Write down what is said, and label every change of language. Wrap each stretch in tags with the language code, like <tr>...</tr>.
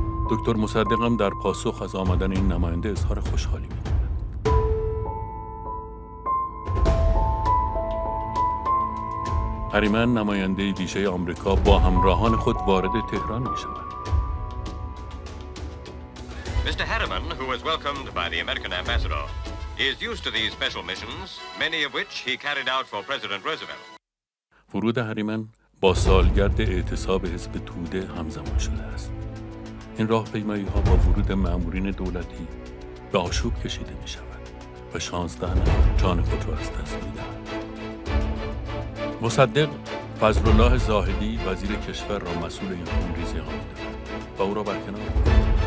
<fa>دکتر مصدق هم در پاسخ از آمدن این نماینده اظهار خوشحالی می‌کند. هریمن نماینده ویژه آمریکا با همراهان خود وارد تهران می‌شود.</fa> <en>Mr. Harriman, who was welcomed by the American ambassador, is used to these special missions, many of which he carried out for President Roosevelt.</en> <fa>ورود هریمن با سالگرد اعتصاب حزب توده همزمان شده است. این راهپیمایی‌ها با ورود مأمورین دولتی به آشوب کشیده می‌شود و 16 نفر جان خود را از دست می‌دهند. مصدق فضل‌الله زاهدی وزیر کشور را مسئول این خونریزی‌ها می‌داند و او را برکنار می‌کند.</fa>